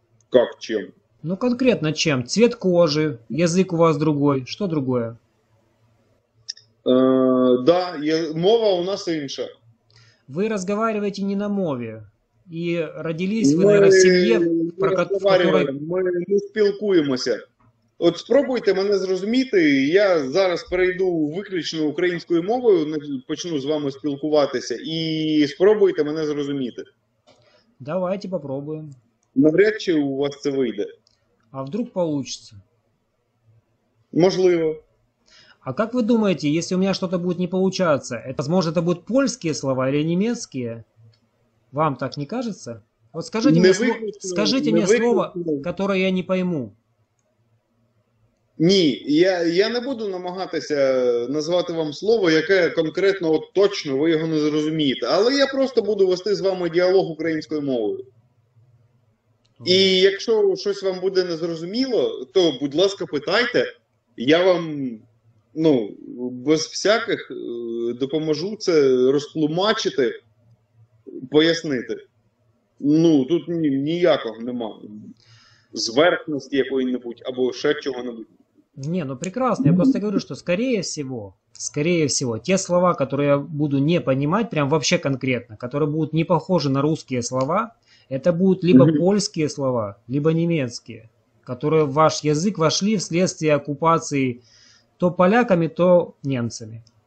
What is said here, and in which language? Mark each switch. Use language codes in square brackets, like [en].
[ru] Как чем? Ну конкретно чем? Цвет кожи, язык у вас другой. Что другое? [uk] Мова у нас инша. [ru] Вы разговариваете не [uk] на мове. [ru] И родились вы, наверное, в семье, [uk] мы спілкуємося. От спробуйте мене зрозуміти, я зараз перейду виключно українською мовою, почну з вами спілкуватися, і спробуйте мене зрозуміти. Давайте попробуємо. Навряд чи у вас це вийде. [ru] А вдруг получится? [uk] Можливо. [ru] А как вы думаете, если у меня что-то будет не получаться, это, возможно, это будут польские слова или немецкие? Вам так не кажется? Вот скажите мне, слово, которое я не пойму. [uk] Ні, я не буду намагатися назвати вам слово, яке конкретно, от точно, ви його не зрозумієте. Але я просто буду вести з вами діалог українською мовою. І якщо щось вам буде незрозуміло, то, будь ласка, питайте. Я вам, ну, без всяких допоможу це розтлумачити, пояснити. Ну, тут ніякого нема. Зверхності якої-небудь або ще чого-небудь. [ru] Не, ну прекрасно. Я просто говорю, что скорее всего, те слова, которые я буду не понимать, прям вообще конкретно, которые будут не похожи на русские слова, это будут либо польские слова, либо немецкие, которые в ваш язык вошли вследствие оккупации то поляками, то немцами.